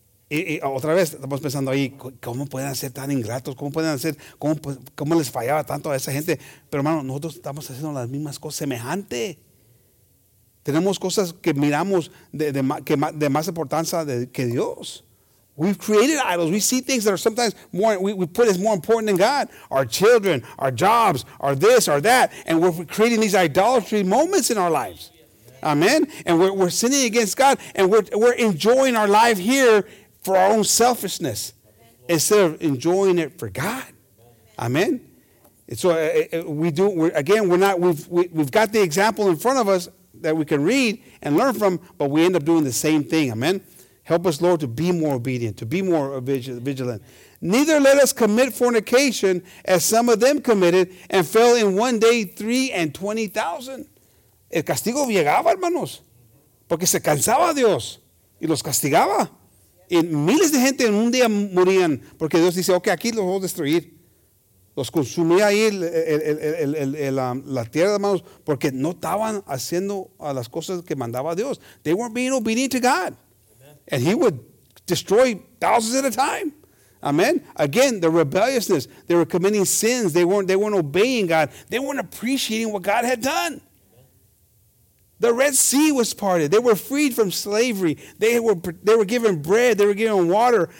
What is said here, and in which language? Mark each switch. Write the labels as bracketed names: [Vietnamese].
[Spanish] Y otra vez estamos pensando ahí, ¿cómo pueden ser tan ingratos? ¿Cómo les fallaba tanto a esa gente? Pero hermano, nosotros estamos haciendo las mismas cosas, semejante. Tenemos cosas que miramos de más importancia que Dios. [English] We've created idols. We see things that are sometimes more, we put as more important than God. Our children, our jobs, our this, our that. And we're creating these idolatry moments in our lives. Amen. And we're sinning against God. And we're enjoying our life here for our own selfishness, instead of enjoying it for God. Amen. And so we've got the example in front of us that we can read and learn from, but we end up doing the same thing. Amen. Help us, Lord, to be more obedient, to be more vigilant. Neither let us commit fornication as some of them committed and fell in one day 320,000. [Spanish] El castigo llegaba, hermanos, porque se cansaba Dios y los castigaba. Y miles de gente en un día morían porque Dios dice, ok, aquí los voy a destruir. Los consumía ahí la tierra, hermanos, porque no estaban haciendo a las cosas que mandaba Dios. [English] They weren't being obedient to God. Amen. And he would destroy thousands at a time. Amen. Again, the rebelliousness. They were committing sins. They weren't obeying God. They weren't appreciating what God had done. The Red Sea was parted. They were freed from slavery. They were given bread. They were given water.